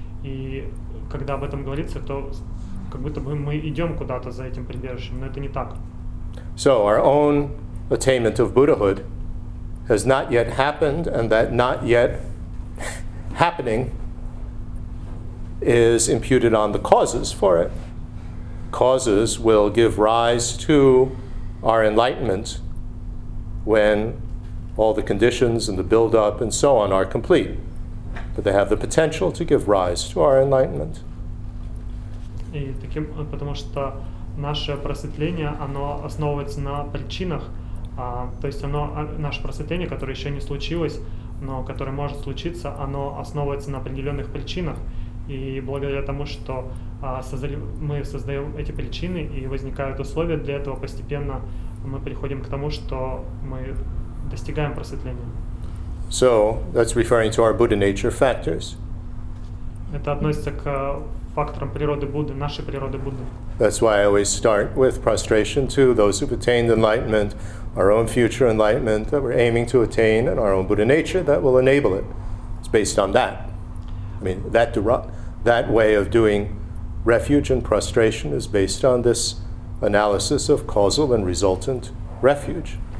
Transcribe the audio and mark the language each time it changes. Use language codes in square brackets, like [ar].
[ru] И когда об этом говорится, то как будто бы мы идем куда-то за этим прибежищем, но это не так. [en] So our own attainment of Buddhahood has not yet happened, and that not yet happening is imputed on the causes for it. Causes will give rise to our enlightenment when all the conditions and the build-up and so on are complete, but they have the potential to give rise to our enlightenment. [ru] И таким, потому что наше просветление, оно основывается на причинах, то есть оно, наше просветление, которое еще не случилось, но которое может случиться, оно основывается на определенных причинах, и благодаря тому, что мы создаем эти причины и возникают условия для этого постепенно, мы приходим к тому, что мы достигаем просветления. [en] So, that's referring to our Buddha nature factors. [ru] Это относится к факторам природы Будды, нашей природы Будды. [en] That's why I always start with prostration to those who've attained enlightenment, our own future enlightenment that we're aiming to attain, and our own Buddha nature that will enable it. It's based on that. I mean, that way of doing refuge and prostration is based on this analysis of causal and resultant refuge.